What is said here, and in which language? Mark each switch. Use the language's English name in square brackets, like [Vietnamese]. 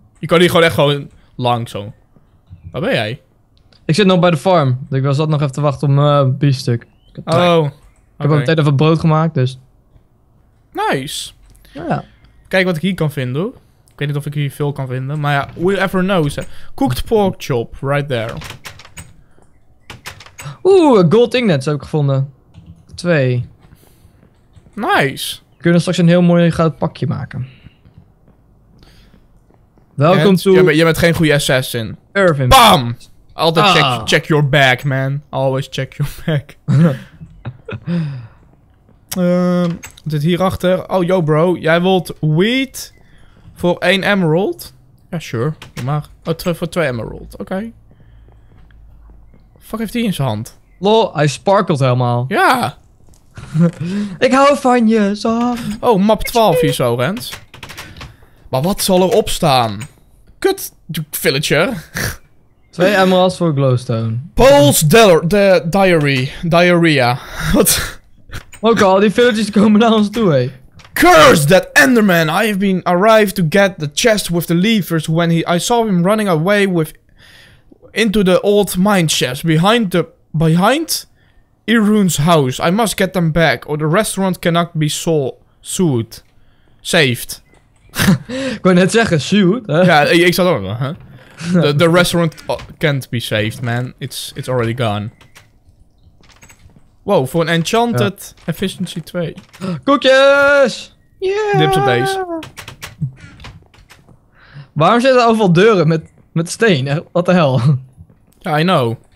[Dutch] Je kan hier gewoon echt gewoon lang zo. Waar ben jij? Ik zit nog bij de farm. Ik was zat nog even te wachten op mijn biefstuk. Ik heb al meteen even brood gemaakt, dus. Nice. Ja. Kijk wat ik hier kan vinden. Ik weet niet of ik hier veel kan vinden, maar ja, [English] we'll ever know. Cooked pork chop, right there. [Dutch] Oeh, gold ingots heb ik gevonden. 2. Nice. We kunnen straks een heel mooi goud pakje maken. Welkom to... Je bent geen goede assassin. Irvin. [English] Bam! Altijd check your back, man. Always check your back. [Dutch] wat zit hierachter? Oh, yo bro. Jij wilt wheat voor 1 emerald? Ja, sure. Doe maar. Oh, voor 2 emerald. Oké. Okay. Fuck heeft hij in zijn hand? Lol, hij sparkelt helemaal. Ja. Ik hou van je, zo. Oh, map 12 hier zo, Rens. Maar wat zal er opstaan? Kut, villager. Twee emeralds voor glowstone. Paul's diary. Diarrhea. Wat? Ook al, die villagers komen naar ons toe, hé. [English] Cursed that Enderman! I have been arrived to get the chest with the levers when I saw him running away with into the old mine shafts behind Irun's house. I must get them back, or the restaurant cannot be sued. Saved. [Dutch] Ik wou net zeggen, sued. Ja, ik zat ook. [English] The restaurant can't be saved, man. It's already gone. [Dutch] Wow, voor een enchanted efficiency 2. Koekjes! Yeah! Dips op deze. Waarom zitten er overal deuren met steen? [English] What the hell? Ja, I know.